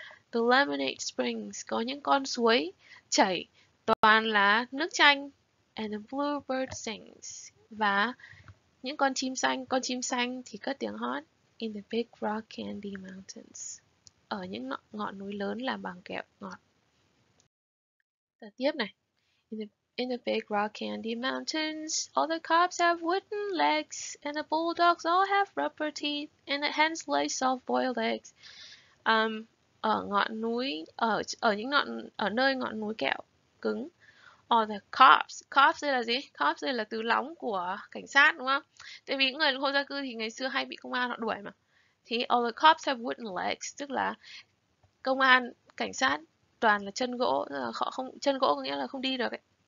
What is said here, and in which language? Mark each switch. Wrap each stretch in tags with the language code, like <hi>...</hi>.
<en>The lemonade springs</en> <vi>có những con suối chảy toàn là nước chanh.</vi> <en>And the bluebird sings,</en> <vi>và những con chim xanh thì cất tiếng hót.</vi> <en>In the big rock candy mountains,</en> <vi>ở những ngọn núi lớn làm bằng kẹo ngọt. Tờ tiếp này.</vi> <en>In the big rock candy mountains, all the cops have wooden legs, and the bulldogs all have rubber teeth, and the hens lay soft boiled eggs.</en> <vi>Ở ngọn núi, ở những ngọn ở nơi ngọn núi kẹo cứng.</vi> <en>All the cops.</en> <vi>Cops đây là gì? Cops đây là từ lóng của cảnh sát đúng không? Tại vì những người vô gia cư thì ngày xưa hay bị công an họ đuổi mà. Thì</vi> <en>all the cops have wooden legs,</en> <vi>tức là công an, cảnh sát toàn là chân gỗ, là họ không, chân gỗ có nghĩa là không đi được ấy.</vi>